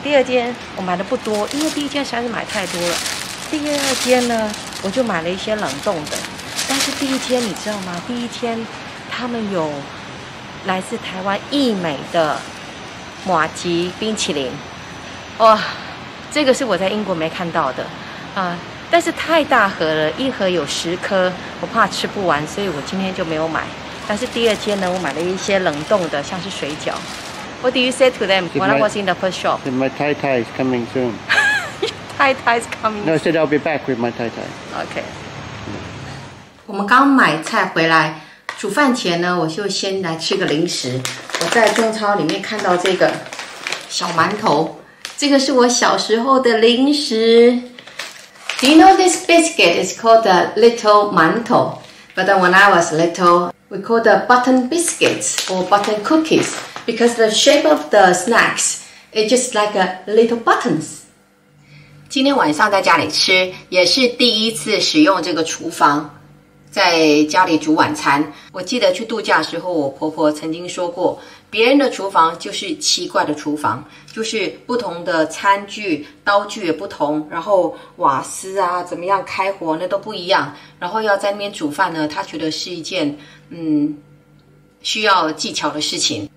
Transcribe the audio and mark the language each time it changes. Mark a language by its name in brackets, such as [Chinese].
[Chinese] 第二间我买的不多，因为第一间实在是买太多了。第二间呢我就买了一些冷冻的，但是第一间你知道吗，第一间他们有来自台湾益美的马吉冰淇淋，哇，这个是我在英国没看到的啊，但是太大盒了，一盒有十颗，我怕吃不完，所以我今天就没有买。但是第二间呢，我买了一些冷冻的，像是水饺。 [English] What do you say to them when I was in the first shop? My Thai Thai is coming soon. Thai Thai is coming. No, I said I'll be back with my Thai Thai. Okay. [Chinese] 我们刚买菜回来，煮饭前呢，我就先来吃个零食。我在中超里面看到这个小馒头，这个是我小时候的零食。 [English] Do you know this biscuit is called the little 馒头 But then when I was little, we called the button biscuits or button cookies because the shape of the snacks is just like a little buttons. [Chinese] 今天晚上在家里吃，也是第一次使用这个厨房，在家里煮晚餐。我记得去度假时候，我婆婆曾经说过，别人的厨房就是奇怪的厨房，就是不同的餐具刀具也不同，然后瓦斯啊怎么样开火那都不一样，然后要在那边煮饭呢，他觉得是一件需要技巧的事情。